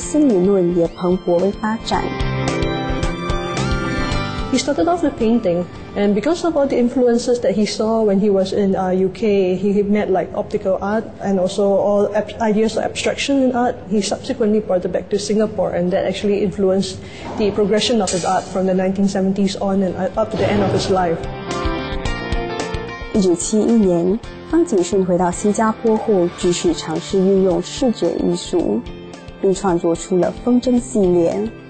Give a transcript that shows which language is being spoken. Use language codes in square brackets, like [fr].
[zh] 冲刺并门下学习。1964年毕业后，他想继续进修，于是，在1967年前往英国。在这段时期，充满文化气息的伦敦景色开始出现在抽象画派的艺术作品中，而心理论也蓬勃发展。 [en] He started off with painting, and because of all the influences that he saw when he was in UK, he met like optical art and also all ideas of abstraction in art. He subsequently brought it back to Singapore, and that actually influenced the progression of his art from the 1970s on and up to the end of his life. [zh] 1971年，方景顺回到新加坡后，继续尝试运用视觉艺术，并创作出了风筝系列。